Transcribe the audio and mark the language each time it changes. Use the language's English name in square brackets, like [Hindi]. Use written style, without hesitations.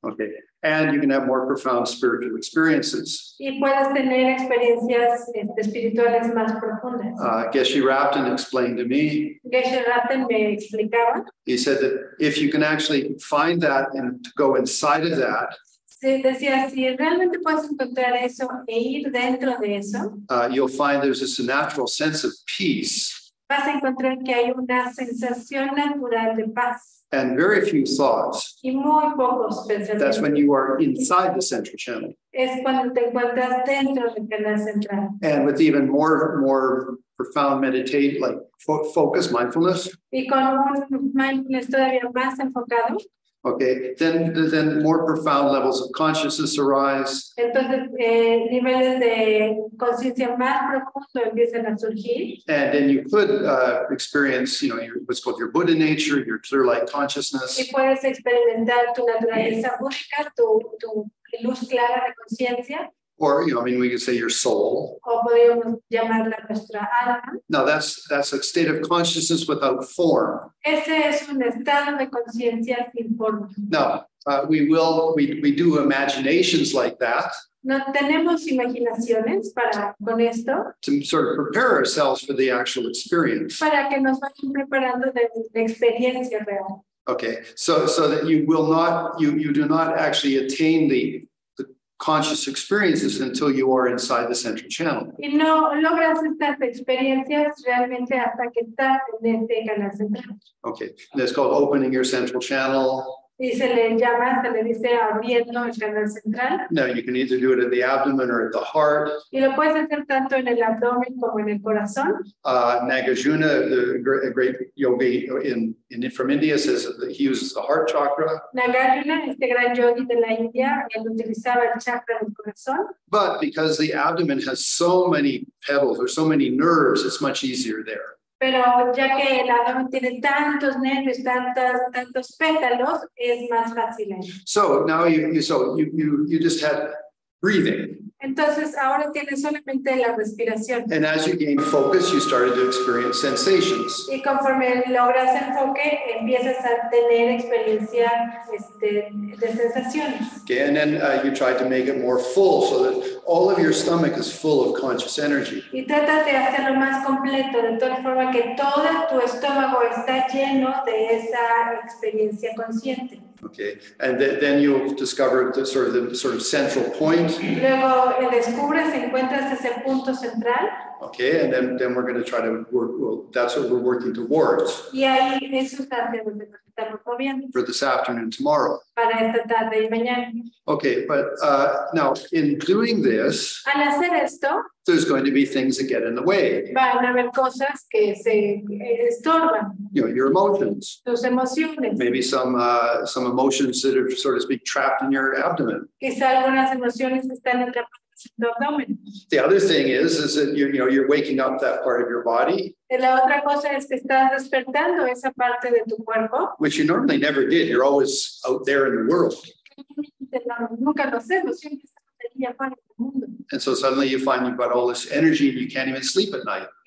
[English] Okay, and you can have more profound spiritual experiences. [Spanish] Y puedes tener experiencias espirituales más profundas. [English] Geshe Rapton explained to me. [Spanish] Geshe Rapton me explicaba. [English] He said that if you can actually find that and go inside of that. [Spanish] Sí, decía, si realmente puedes encontrar eso e ir dentro de eso. [English] You'll find there's this natural sense of peace. [Spanish] Vas a encontrar que hay una sensación natural de paz. [English] And very few thoughts. [Spanish] Y muy pocos pensamientos. [English] That's when you are inside the central channel. [Spanish] Es cuando te encuentras dentro del canal central. [English] And with even more profound meditate, like focus mindfulness. [Spanish] Y con mindfulness todavía más enfocado. [English] Okay, then more profound levels of consciousness arise. [Spanish] Entonces, niveles de conciencia más profundo empiezan a surgir. [English] And then you could experience, you know, what's called your Buddha nature, your clear light consciousness. [Spanish] Y puedes experimentar tu naturaleza búdica, tu luz clara de conciencia. [English] Or, you know, I mean, we could say your soul. [Spanish] O podríamos llamarla nuestra alma. [English] No, that's a state of consciousness without form. [Spanish] Ese es un estado de conciencia sin forma. [English] No, we do imaginations like that. [Spanish] No tenemos imaginaciones con esto. [English] To sort of prepare ourselves for the actual experience. [Spanish] Para que nos vayan preparando de la experiencia real. [English] Okay, so that you will not, you do not actually attain the conscious experiences until you are inside the central channel. [Spanish] Y no logras estas experiencias realmente hasta que estás en este canal central. [English] Okay, that's called opening your central channel. [Spanish] Y se le dice abriendo el canal central. [English] No, you can either do it in the abdomen or at the heart. [Spanish] Y lo puedes hacer tanto en el abdomen como en el corazón. [English] Nagarjuna, a great yogi in from India, says that he uses the heart chakra. [Spanish] Nagarjuna, este gran yogi de la India, él utilizaba el chakra del corazón. [English] But because the abdomen has so many petals or so many nerves, it's much easier there. [Spanish] Pero ya que el abdomen tiene tantos nervios, tantos pétalos, es más fácil. [English] So now you just had breathing. [Spanish] Entonces ahora tienes solamente la respiración. [English] And as you gain focus, you started to experience sensations. [Spanish] Y conforme logras enfoque, empiezas a tener experiencia de sensaciones. [English] Okay, and then you try to make it more full so that all of your stomach is full of conscious energy. [Spanish] Y tratas de hacerlo más completo, de tal forma que todo tu estómago está lleno de esa experiencia consciente. [English] Okay, and then you'll discover the sort of central point. [Spanish] Luego descubres, encuentras ese punto central. [English] Okay, and then we're going to try to work. Well, that's what we're working towards. [Spanish] Y ahí es donde estamos moviendo. [English] For this afternoon, tomorrow. [Spanish] Para esta tarde y mañana. [English] Okay, but now in doing this, [Spanish] al hacer esto, [English] there's going to be things that get in the way. [Spanish] Van a haber cosas que se estorban. [English] You know, your emotions. [Spanish] Tus emociones. [English] Maybe some emotions that are sort of speak trapped in your abdomen. [Spanish] Quizá algunas emociones están atrapadas. [English] The other thing is that you're waking up that part of your body. [Spanish] La otra cosa es que estás despertando esa parte de tu cuerpo. [English] Which you normally never did. You're always out there in the world. [Spanish] Nunca lo hacemos, siempre estamos aquí afuera en el mundo. [English] And so suddenly you find you've got all this energy and you can't even sleep at night.